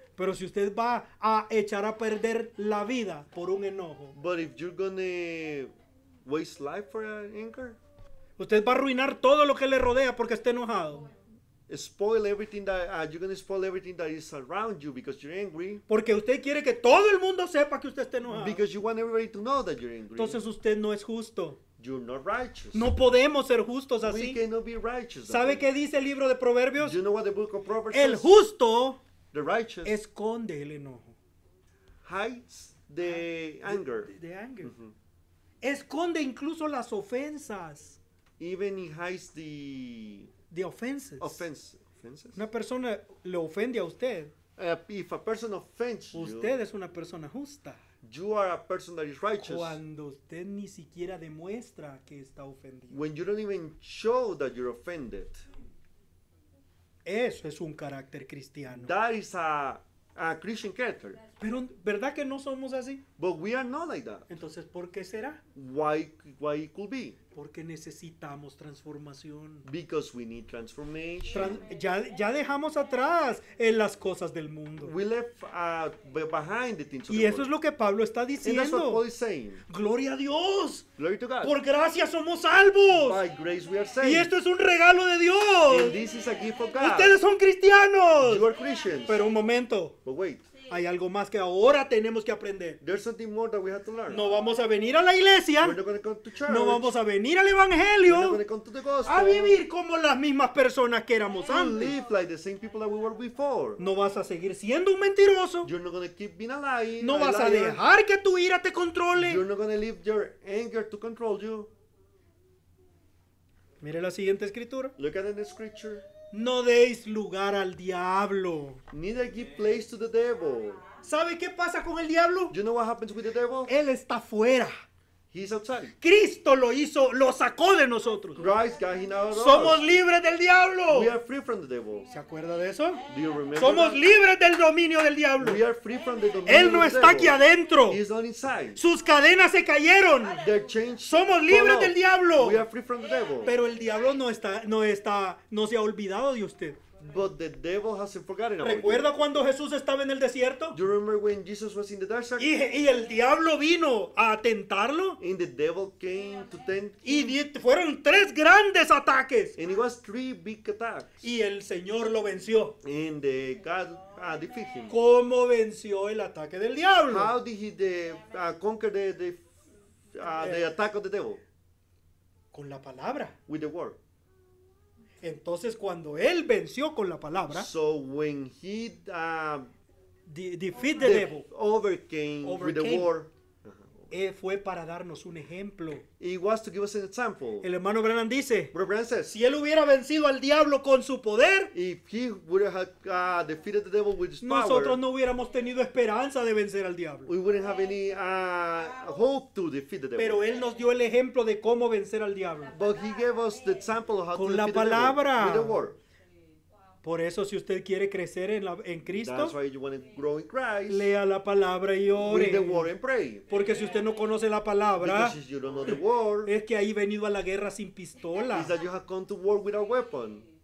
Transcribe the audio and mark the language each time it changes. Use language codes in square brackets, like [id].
[es] Pero si usted va a echar a perder la vida por un enojo. [en] But if you're gonna waste life for an anger. [es] Usted va a arruinar todo lo que le rodea porque está enojado. [en] Spoil everything that you're gonna spoil everything that is around you because you're angry. [es] Porque usted quiere que todo el mundo sepa que usted está enojado. [en] Because you want everybody to know that you're angry. [es] Entonces usted no es justo. [en] You're not righteous. [es] No podemos ser justos así. [en] We cannot be righteous. [es] ¿Sabe qué dice el libro de Proverbios? [en] You know what the book of Proverbs says? [es] El justo. [en] The righteous [es] esconde el enojo. [en] Hides the anger. The anger. [es] Mm-hmm. Esconde incluso las ofensas. [en] Even he hides the Offenses. Offenses. [es] Una persona le ofende a usted. [en] If a person offends [es] usted [en] you. [es] Usted es una persona justa. [en] You are a person that is righteous. [es] Cuando usted ni siquiera demuestra que está ofendido. [en] When you don't even show that you're offended. [es] Eso es un carácter cristiano. [en] That is a Christian character. [es] Pero ¿verdad que no somos así? [en] But we are not like that. [es] Entonces, ¿por qué será? [en] Why it could be? [es] Porque necesitamos transformación. [en] Because we need transformation. [es] Ya dejamos atrás en las cosas del mundo. [en] We left behind the things of [es] the world. [en] Y eso es lo que Pablo está diciendo. [es] And that's what Paul is saying. [en] ¡Gloria a Dios! [es] Glory to God. [en] ¡Por gracia somos salvos! [es] By grace we are saved. [en] ¡Y esto es un regalo de Dios! [es] And this is a gift of God. [en] ¡Ustedes son cristianos! [es] You are Christians. [en] Pero un momento. [es] But wait. [en] Hay algo más que ahora tenemos que aprender. [es] There's something more that we have to learn. [en] No vamos a venir a la iglesia. [es] We're not going to come to church. [en] No vamos a venir al evangelio. [es] We're not going to come to the gospel. [en] A vivir como las mismas personas que éramos antes. [es] To live like the same people that we were before. [en] No vas a seguir siendo un mentiroso. [es] You're not going to keep being a liar. [en] No vas a dejar que tu ira te controle. [es] You're not going to leave your anger to control you. [en] Mire la siguiente escritura. [es] Look at the next scripture. [en] No deis lugar al diablo. [es] Neither give place to the devil. [en] ¿Sabe qué pasa con el diablo? [es] You know what happens with the devil? [en] Él está fuera. [es] He's outside. [en] Cristo lo hizo, lo sacó de nosotros. [es] Christ got him out of [en] Somos [es] us. [en] Libres del diablo. [es] We are free from the devil. [en] ¿Se acuerda de eso? [es] Do you remember [en] Somos [es] that? [en] Libres del dominio del diablo. [es] We are free from the dominion [en] Él no [es] of [en] está [es] devil. [en] Aquí adentro. [es] He's not inside. [en] Sus cadenas se cayeron. [es] They're changed. [en] Somos libres del diablo. [es] We are free from the devil. [en] Pero el diablo no se ha olvidado de usted. [es] But the devil hasn't forgotten about [en] ¿Recuerda [es] you? [en] Cuando Jesús estaba en el desierto? [es] Do you remember when Jesus was in the desert? [en] Y el diablo vino a tentarlo. [es] And the devil came to tempt [en] y fueron tres grandes ataques. [es] And it was three big attacks. [en] Y el Señor lo venció. [es] And God defeated him. [en] ¿Cómo venció el ataque del diablo? [es] How did he conquer the attack of the devil? [en] Con la palabra. [es] With the word. [en] Entonces cuando él venció con la palabra, [es] so when he [en] defeat the devil, [es] overcame with the war, [en] fue para darnos un ejemplo. [es] It was to give us an example. [en] El hermano Brennan dice, [es] Brennan says, [en] si él hubiera vencido al diablo con su poder, [es] if he would have defeated the devil with his [en] nosotros [es] power, [en] no hubiéramos tenido esperanza de vencer al diablo. [es] We wouldn't have any hope to defeat the devil. [en] Pero él nos dio el ejemplo de cómo vencer al diablo. [es] But he gave us the example of how [en] con [es] to [en] la [es] defeat [en] palabra. [es] The devil with the word. [en] Por eso, si usted quiere crecer en Cristo, [es] that's why you want to grow in Christ, [en] lea la palabra y ore. [es] Read the word and pray. [en] Porque si usted no conoce la palabra, [es] because you don't know the word, [en] es que ahí venido a la guerra sin pistola. [es] Is that you have come to war without weapon.